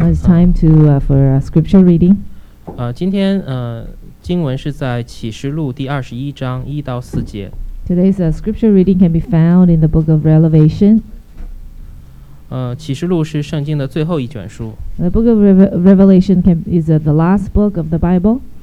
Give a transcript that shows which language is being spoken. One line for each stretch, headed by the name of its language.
English: It's time to for scripture reading.
Chinese: 今天经文是在启示录第二十一章一到四节。
English: Today's scripture reading can be found in the book of Revelation.
Chinese: 启示录是圣经的最后一卷书。
English: The book of Revelation is the last book of the Bible.